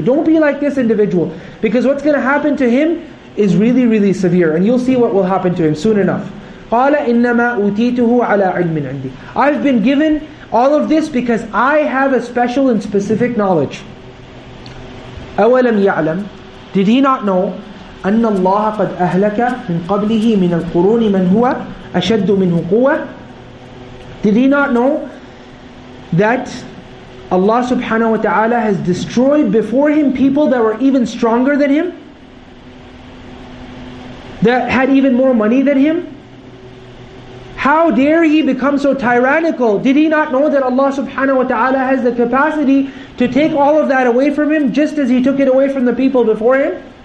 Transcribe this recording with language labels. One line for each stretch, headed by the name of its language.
English: Don't be like this individual. Because what's going to happen to him is really, really severe. And you'll see what will happen to him soon enough.
Arabic: قَالَ إِنَّمَا أُوتِيتُهُ عَلَىٰ عِلْمٍ عِنْدِي.
English: I've been given all of this because I have a special and specific knowledge.
Arabic: أَوَلَمْ يَعْلَمْ.
English: Did he not know?
Arabic: أن الله قد أهلك من قبله من القرون من هو أشد منه قوة.
English: Did he not know that Allah subhanahu wa ta'ala has destroyed before him people that were even stronger than him, that had even more money than him? How dare he become so tyrannical? Did he not know that Allah subhanahu wa ta'ala has the capacity to take all of that away from him, just as he took it away from the people before him?